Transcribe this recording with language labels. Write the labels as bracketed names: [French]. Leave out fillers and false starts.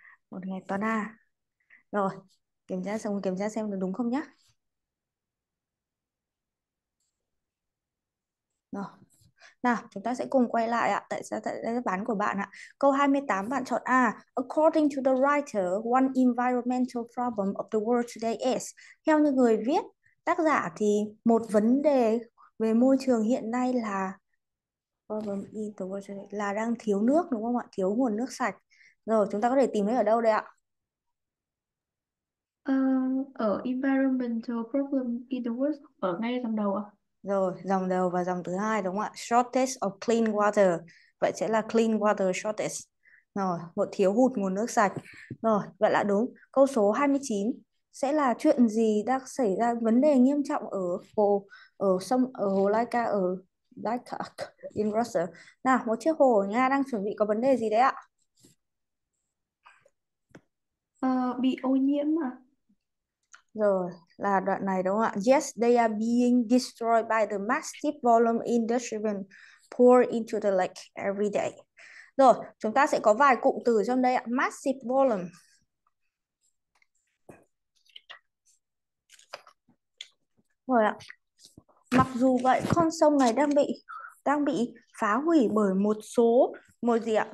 [Vietnamese] Một ngày toàn A. Rồi, kiểm tra xong kiểm tra xem được đúng không nhá. Rồi. Nào, chúng ta sẽ cùng quay lại ạ. Tại sao tại đáp án của bạn ạ? Câu 28 bạn chọn A. [English] According to the writer, one environmental problem of the world today is. [Vietnamese] Theo như người viết, tác giả thì một vấn đề về môi trường hiện nay là [English] problem in the world today [Vietnamese] là đang thiếu nước đúng không ạ? Thiếu nguồn nước sạch. Rồi, chúng ta có thể tìm thấy ở đâu đây ạ? Ở [English] environmental problem in the world [Vietnamese] ở ngay trong đầu ạ. Rồi, dòng đầu và dòng thứ hai đúng không ạ? [English] Shortage of clean water. [Vietnamese] Vậy sẽ là [English] clean water shortage. [Vietnamese] Rồi, một thiếu hụt nguồn nước sạch. Rồi, vậy là đúng. Câu số 29 sẽ là chuyện gì đang xảy ra vấn đề nghiêm trọng ở hồ Laika ở Laika in Russia. Nào, một chiếc hồ Nga đang chuẩn bị có vấn đề gì đấy ạ? Bị ô nhiễm mà. Rồi, là đoạn này đúng không ạ? [English] Yes, they are being destroyed by the massive volume industry pour into the lake every day. [Vietnamese] Rồi, chúng ta sẽ có vài cụm từ trong đây ạ. Massive. Rồi ạ. Mặc dù vậy, con sông này đang bị phá hủy bởi một số một gì ạ?